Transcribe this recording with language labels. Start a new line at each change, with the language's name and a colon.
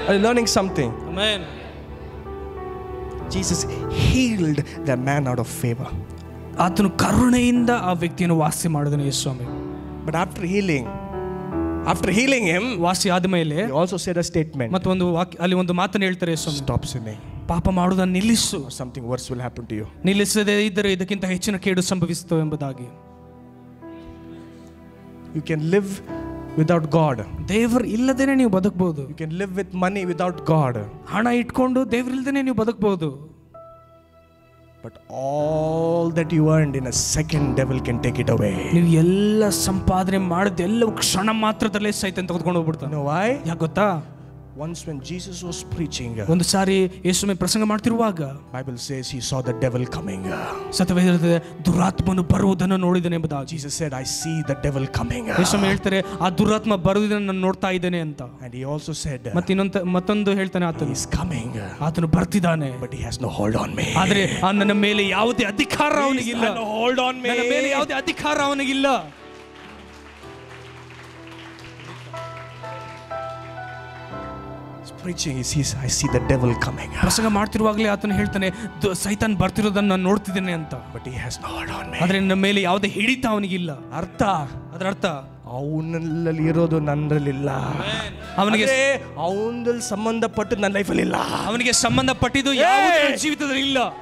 English: Are you learning something? Amen. Jesus healed the man out of favor.
Kannada: ಆತನು ಕರುಣೆಯಿಂದ ಆ ವ್ಯಕ್ತಿಯನ್ನು ವಾಸಿ ಮಾಡಿದನು ಯೇಸು ಸ್ವಾಮಿ.
English: but after healing him,
Kannada: ವಾಸಿ ಆದ ಮೇಲೆ
English: Also said a statement.
Kannada: ಮತ್ತೆ ಒಂದು ವಾಕ್ಯ, ಅಲ್ಲಿ ಒಂದು ಮಾತನ್ನು ಹೇಳ್ತಾರೆ ಯೇಸು ಸ್ವಾಮಿ.
English: stop sin,
Kannada: ಪಾಪ ಮಾಡುವುದನ್ನು ನಿಲ್ಲಿಸು.
English: Something worse will happen to you.
Kannada: ನಿಲ್ಲಿಸದೇ ಇದ್ದರೆ ಇದಕ್ಕಿಂತ ಹೆಚ್ಚಿನ ಕೇಡು ಸಂಭವಿಸುತ್ತೋ ಎಂಬುದಾಗಿ.
English: You can live without God.
Kannada: ದೇವರ ಇಲ್ಲದೇನೆ ನೀವು ಬದುಕಬಹುದು.
English: You can live with money without God.
Kannada: ಹಣ ಇಟ್ಕೊಂಡು ದೇವರ ಇಲ್ಲದೇನೆ ನೀವು ಬದುಕಬಹುದು.
English: But all that you earned in a second, devil can take it away.
Kannada: ನೀವು ಎಲ್ಲ ಸಂಪಾದನೆ ಮಾಡಿದ ಎಲ್ಲ ಕ್ಷಣ ಮಾತ್ರದಲ್ಲೇ ಸೈತಾನ ತೆಗೆದುಕೊಂಡು ಹೋಗ್ಬಿಡ್ತಾನೆ.
English: No, why?
Kannada: ಯಾಕೆ ಗೊತ್ತಾ?
English: Once when Jesus was preaching,
Kannada: ಒಂದು ಸಾರಿ ಯೇಸುವೇ ಪ್ರಸಂಗ ಮಾಡುತ್ತಿರುವಾಗ,
English: Bible says he saw the devil coming.
Kannada: ಸತ್ಯವೇದದ ದುರಾತ್ಮನು ಬರುವುದನ್ನು ನೋಡಿದನೆ ಎಂಬುದಾಗಿ.
English: Jesus said, I see the devil coming.
Kannada: ಯೇಸುವೇ ಹೇಳ್ತಾರೆ, ಆ ದುರಾತ್ಮ ಬರುವುದನ್ನು ನಾನು ನೋಡ್ತಾ ಇದ್ದೇನೆ ಅಂತ.
English: And he also said,
Kannada: ಮತ್ತೊಂದು ಹೇಳ್ತಾನೆ, ಆತನು
English: is coming.
Kannada: ಆತನು ಬರ್ತಿದ್ದಾನೆ.
English: But he has no hold on me.
Kannada: ಆದರೆ ನನ್ನ ಮೇಲೆ ಯಾವುದೇ ಅಧಿಕಾರ ಅವನಿಗೆ ಇಲ್ಲ.
English: No hold on me.
Kannada: ನನ್ನ ಮೇಲೆ ಯಾವುದೇ ಅಧಿಕಾರ ಅವನಿಗೆ ಇಲ್ಲ.
English: Preaching, he says, I see the devil coming.
Kannada: ಪ್ರಸಂಗ ಮಾಡ್ತಿರುವಾಗಲೇ ಆತನು ಹೇಳ್ತಾನೆ, ಸೈತಾನ್ ಬರ್ತಿರೋದನ್ನ ನಾನು ನೋಡ್ತಿದ್ದೇನೆ ಅಂತ.
English: But he has no hold on me.
Kannada: ಆದ್ರೆ ನನ್ನ ಮೇಲೆ ಯಾವುದೇ ಹಿಡಿತ ಅವನಿಗಿಲ್ಲ. ಅರ್ಥ? ಅದರ ಅರ್ಥ, ಅವನಲ್ಲಿ ಇರೋದು ನನ್ನಲ್ಲಿಲ್ಲ. ಅವನಿಗೆ ಅವನಲ್ಲಿ ಸಂಬಂಧಪಟ್ಟು ನನ್ನ ಲೈಫಲ್ಲಿ ಇಲ್ಲ. ಅವನಿಗೆ ಸಂಬಂಧಪಟ್ಟಿದ್ದು ಯಾವುದೇ ಜೀವಿತದಲ್ಲಿ ಇಲ್ಲ.